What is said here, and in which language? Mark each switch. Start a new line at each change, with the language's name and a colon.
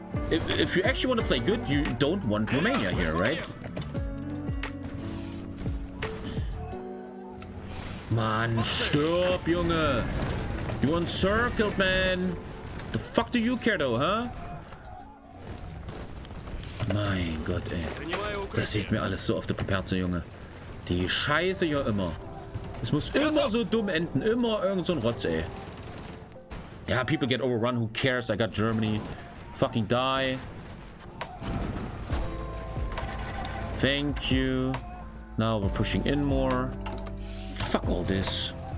English: If you actually want to play good, you don't want Romania here, right? Man, stop, Junge. You encircled, man. The fuck do you care, though, huh?
German: Mein Gott, ey. Das sieht mir alles so auf der Perze, Junge. Die Scheiße ja immer. Es muss immer so dumm enden. Immer irgend so ein Rotz, ey.
English: Yeah, people get overrun. Who cares? I got Germany. Fucking die. Thank you. Now we're pushing in more. Fuck all this.